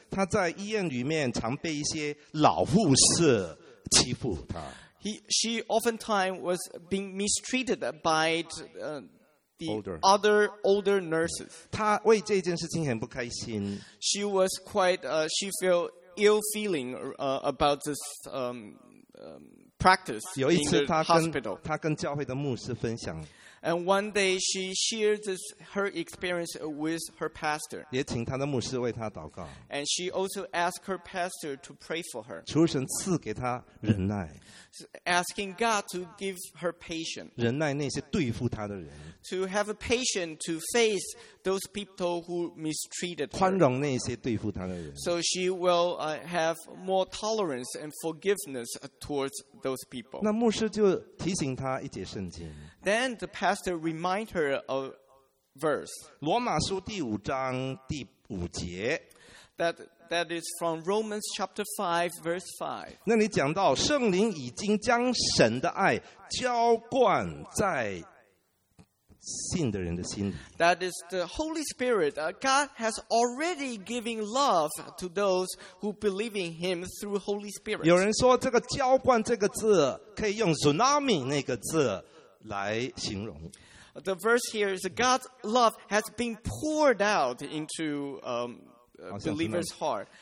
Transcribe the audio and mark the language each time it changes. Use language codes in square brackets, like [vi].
[zh] 她在医院里面常被一些老护士欺负她 [en] She oftentimes was being mistreated by the older nurses. [zh] 她为这件事情很不开心。 [en] She was quite, she felt ill feeling about this practice in the hospital. [zh] 她跟教会的牧师分享。 [en] And one day she shared this, her experience with her pastor. [zh] 也请她的牧师为她祷告。 [en] And she also asked her pastor to pray for her. [zh] 求神赐给她忍耐。 [en] Asking God to give her patience. [zh] 忍耐那些对付她的人。 [en] To have a patience to face those people who mistreated her. [zh] 宽容那些对付她的人。 [en] So she will have more tolerance and forgiveness towards those people. [zh] 那牧师就提醒她一节圣经。 [en] Then the pastor reminded her of verse. [zh] 罗马书第五章第五节。 [en] That is from Romans chapter 5, verse 5. [zh] 那里讲到圣灵已经将神的爱浇灌在信的人的心里。 [en] That is the Holy Spirit. God has already given love to those who believe in Him through Holy Spirit. [zh] 有人说这个浇灌这个字可以用 tsunami 那个字来形容。 [en] The verse here is God's love has been poured out into believer's heart.